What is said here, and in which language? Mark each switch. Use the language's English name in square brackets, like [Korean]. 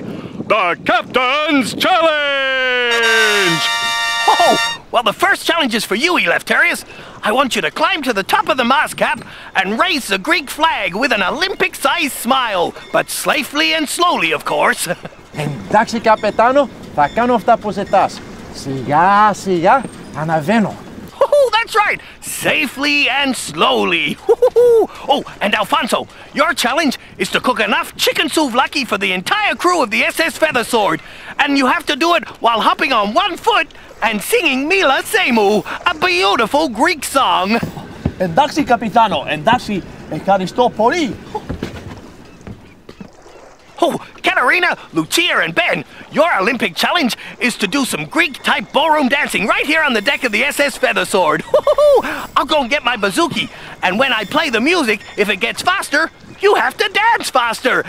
[English] the Captain's Challenge! Oh, well, the first challenge is for you, Eleftherius. I want you to climb to the top of the mast cap and raise the Greek flag with an Olympic-sized smile, but safely and slowly, of course. [Greek] Εντάξει, Καπετάνο, θα κάνω αυτά που ζητάς. Σιγά, σιγά, αναβαίνω. [English] That's right, safely and slowly. Oh, and Alfonso, your challenge is to cook enough chicken souvlaki for the entire crew of the SS Feathersword. And you have to do it while hopping on one foot and singing Mila Seimu, a beautiful Greek song. [Greek] Εντάξει, Capitano, εντάξει, ευχαριστώ πολύ. [English] Oh, Katerina, Lucia, and Ben, your Olympic challenge is to do some Greek-type ballroom dancing right here on the deck of the SS Feathersword. I'll go and get my bouzouki, and when I play the music, if it gets faster, you have to dance faster.